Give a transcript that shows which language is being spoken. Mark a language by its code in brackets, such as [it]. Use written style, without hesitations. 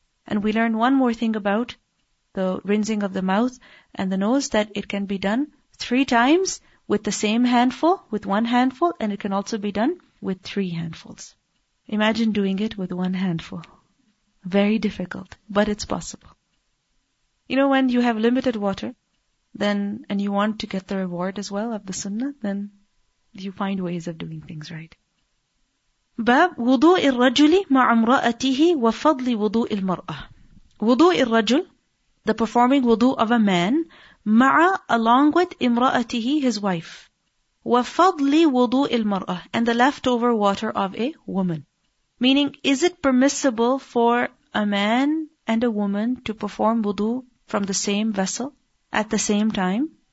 [en] And we learn one more thing about the rinsing of the mouth and the nose, that it can be done three times with the same handful, with one handful, and it can also be done with three handfuls. Imagine doing it with one handful. Very difficult, but it's possible. You know, when you have limited water, then, and you want to get the reward as well of the sunnah, then you find ways of doing things right. [ar] باب وضوء الرجل مع امرأته وفضل وضوء المرأة. وضوء الرجل, [en] the performing wudu of a man, ma'a, along with imra'atihi, his wife. [ar] Wa fadli wudu il mar'ah, [en] and the leftover water of a woman. Meaning, is it permissible for a man and a woman to perform wudu from the same vessel at the same time?